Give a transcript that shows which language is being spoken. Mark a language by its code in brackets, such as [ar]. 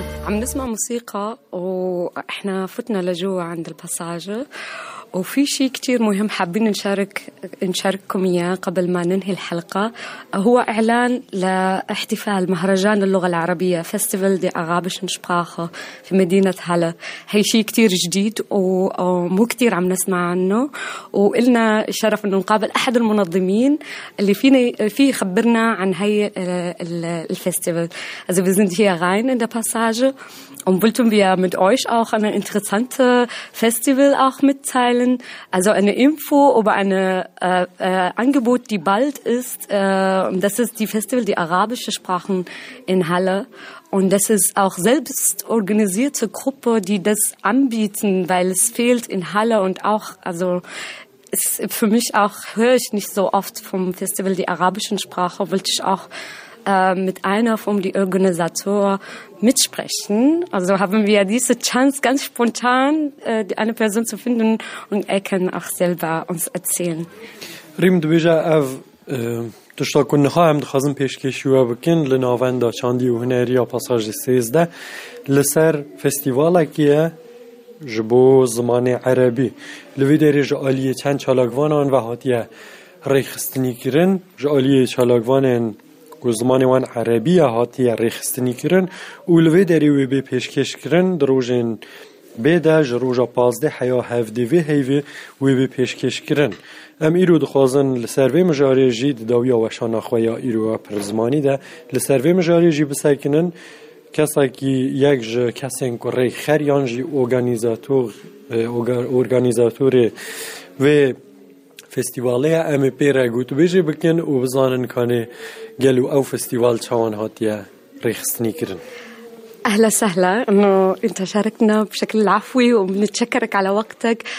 [ar] نسمع موسيقى وإحنا فتنا لجوا عند الباساج وفي شيء كتير مهم حابين نشارككم إياه قبل ما ننهي الحلقة هو إعلان لاحتفال مهرجان اللغة العربية [de] Festival der Arabischen Sprache [ar] في مدينة هلا هي شيء كتير جديد ومو كتير عم نسمع عنه وإلنا الشرف أن نقابل أحد المنظمين اللي فيه خبرنا عن هاي الفستيفال [de] also wir sind hier rein in der Passage und wollten wir mit euch auch eine interessante Festival auch mitteilen erzählen, also eine Info über ein Angebot, die bald ist. Das ist die Festival, die arabische Sprachen in Halle. Und das ist auch selbst organisierte Gruppe, die das anbieten, weil es fehlt in Halle und auch, also es für mich auch, höre ich nicht so oft vom Festival die arabischen Sprache, wollte ich auch mit einer von den Organisatoren mitsprechen. Also haben wir diese Chance, ganz spontan eine Person zu finden, und er kann auch selber uns erzählen. [ku] Rim, [de] du bist ja auf [ku] تشتا کنه ها هم دخوازم پیشکشی و بکن لناوان دا چاندی و هنری یا پاساج سیزده لسر فستیوال اکیه جبو زمان عربی لوی داری جعالی چند چالاگوانان و حاطیه ریخستنی کرن جعالی چالاگوان و زمان وان عربی حاطیه ریخستنی کرن و لوی داری وی بی پیشکش کرن دروژن بیده جروژا پازده حیا هفده وی هیوی وی بی پیشکش کرن ام ایرو دخوازن لسروی مجاری جی دویا وشان اخوایا ایرو پرزمانی ده لسروی مجاری جی بسکنن کسا کی یک جه کسی کوری خریان جی ارگانیزاتور و فستیواله ام پیره گوت بجی بکن و بزانن کانه گلو او فستیوال چوان هاتیه ریخستنی کرن. [ar] أهلا سهلا أنه أنت شاركنا بشكل عفوي ونتشكرك على وقتك.